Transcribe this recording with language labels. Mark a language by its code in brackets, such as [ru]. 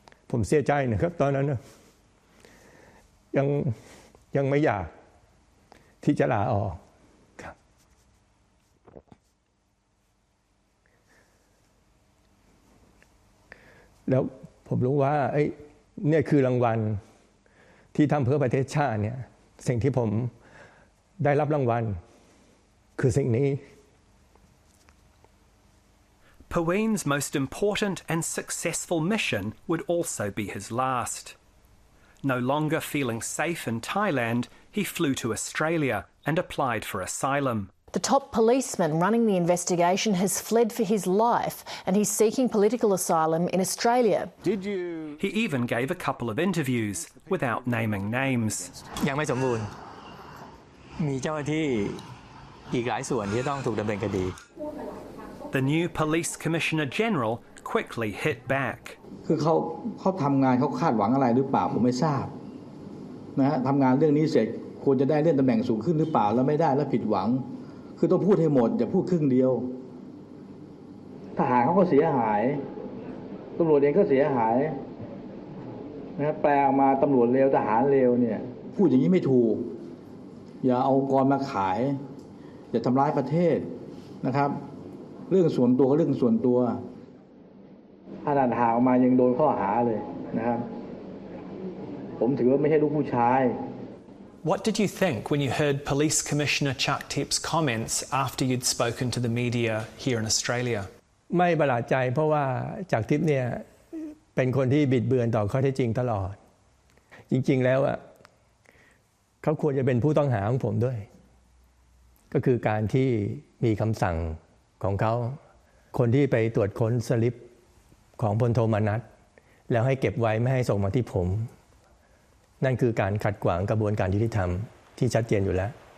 [th] ผมเสียใจนะครับตอนนั้นยังไม่อยากที่จะลาออกครับแล้วผมรู้ว่าเอ้ยเนี่ยคือรางวัลที่ทำเพื่อประเทศชาติเนี่ยสิ่งที่ผมได้รับรางวัลคือสิ่งนี้ [en] Pawin's most important and successful mission would also be his lastNo longer feeling safe in Thailand, he flew to Australia and applied for asylum. The top policeman running the investigation has fled for his life and he's seeking political asylum in Australia. Did you? He even gave a couple of interviews without naming names. [th] ยังไม่สมบูรณ์มีเจ้าหน้าที่อีกหลายส่วนที่ต้องถูกดำเนินคดี [en] The new police commissioner general quickly hit back. [th] คือเขาทำงานเขาคาดหวังอะไรหรือเปล่าผมไม่ทราบนะฮะทำงานเรื่องนี้เสร็จควรจะได้เลื่อนตำแหน่งสูงขึ้นหรือเปล่าแล้วไม่ได้แล้วผิดหวังคือต้องพูดให้หมดอย่าพูดครึ่งเดียว ทหารเขาก็เสียหายตำรวจเองก็เสียหายนะฮะแปลออกมาตำรวจเลวทหารเลวเนี่ยพูดอย่างนี้ไม่ถูกอย่าเอาองค์กรมาขายอย่าทำร้ายประเทศนะครับเรื่องส่วนตัวก็เรื่องส่วนตัวถ้าด่านหาออกมายังโดนข้อหาเลยนะครับผมถือว่าไม่ใช่ลูกผู้ชาย [en] What did you think when you heard Police Commissioner Jagdeep's comments after you'd spoken to the media here in Australia? [th] ไม่ประหลาดใจเพราะว่าจากทิพย์เนี่ยเป็นคนที่บิดเบือนต่อข้อเท็จจริงตลอดจริงๆแล้วอ่ะเขาควรจะเป็นผู้ต้องหาของผมด้วยก็คือการที่มีคำสั่งของเขาคนที่ไปตรวจค้นสลิปของพลโทมานัสแล้วให้เก็บไว้ไม่ให้ส่งมาที่ผมนั่นคือการขัดขวางกระบวนการยุติธรรมที่ชัดเจนอยู่แล้ว